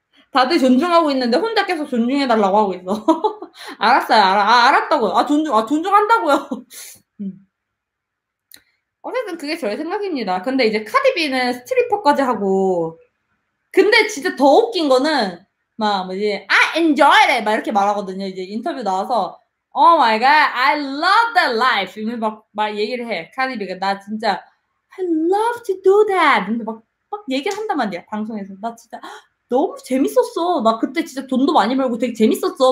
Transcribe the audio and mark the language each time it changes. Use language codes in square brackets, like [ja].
[ko] 다들 존중하고 있는데 혼자 계속 존중해 달라고 하고 있어. 알았어요. 알았다고요. 존중한다고요. 어쨌든 그게 저의 생각입니다. 근데 이제 카디비는 스트리퍼까지 하고, 근데 진짜 더 웃긴 거는 막 뭐지? [en] I enjoy it. [ko] 막 이렇게 말하거든요. 이제 인터뷰 나와서. [en] Oh my god, I love that life. [ko] 이러면서 막 얘기를 해. 카니비가 나 진짜 [en] I love to do that. [ko] 이러면서 막 얘기를 한단 말이야. 방송에서. 나 진짜 너무 재밌었어. 막 그때 진짜 돈도 많이 벌고 되게 재밌었어.